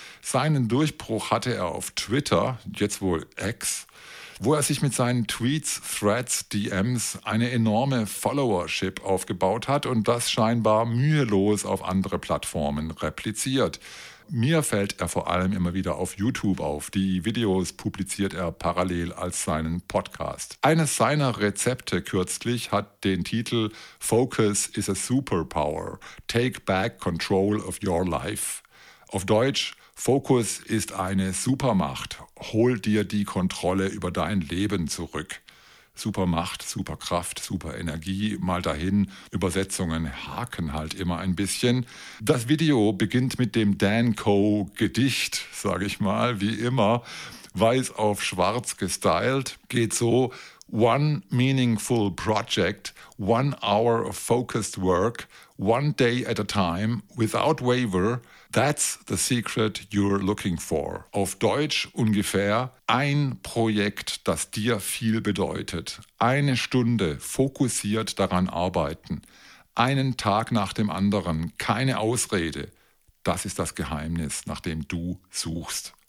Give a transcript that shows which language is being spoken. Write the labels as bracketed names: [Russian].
[German] Seinen Durchbruch hatte er auf Twitter, jetzt wohl X, wo er sich mit seinen Tweets, Threads, DMs eine enorme Followership aufgebaut hat und das scheinbar mühelos auf andere Plattformen repliziert. Mir fällt er vor allem immer wieder auf YouTube auf. Die Videos publiziert er parallel als seinen Podcast. Eines seiner Rezepte kürzlich hat den Titel [English] Focus is a Superpower. Take back control of your life. [German] Auf Deutsch, Fokus ist eine Supermacht. Hol dir die Kontrolle über dein Leben zurück. Supermacht, Superkraft, Superenergie, mal dahin. Übersetzungen haken halt immer ein bisschen. Das Video beginnt mit dem Dan Coe-Gedicht, sag ich mal, wie immer. Weiß auf schwarz gestylt, geht so. [English] One meaningful project, one hour of focused work, one day at a time, without waiver, that's the secret you're looking for. [German] Auf Deutsch ungefähr, ein Projekt, das dir viel bedeutet. Eine Stunde fokussiert daran arbeiten. Einen Tag nach dem anderen, keine Ausrede. Das ist das Geheimnis, nach dem du suchst.